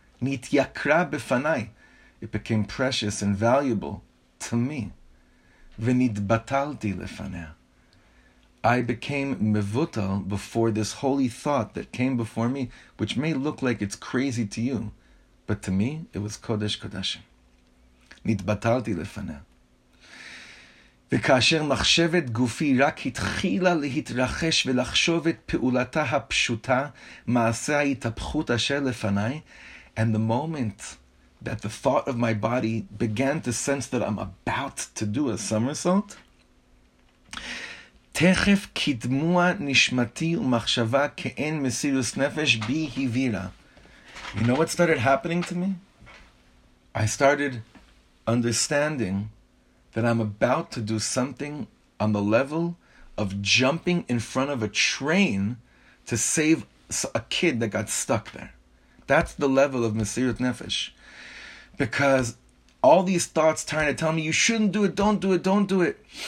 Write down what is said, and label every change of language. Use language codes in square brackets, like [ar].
[he] Nityakra befanai. [en] It became precious and valuable to me. [he] Venitbatalti lefaneh. [en] I became mevutal before this holy thought that came before me, which may look like it's crazy to you, but to me, it was kodesh kodashim. [he] נתבטלתי לפניה. וכאשר מחשבת גופי רק התחילה להתרחש ולחשוב את פעולתה הפשוטה, מעשה ההתהפכות אשר לפניי, [en] and the moment that the thought of my body began to sense that I'm about to do a somersault, [he] תכף קדמו נשמתי ומחשבה כאין מסירות נפש בי הבהירה. [en] You know what started happening to me? I started understanding that I'm about to do something on the level of jumping in front of a train to save a kid that got stuck there. That's the level of Mesirut Nefesh. Because all these thoughts trying to tell me, you shouldn't do it, don't do it, don't do it.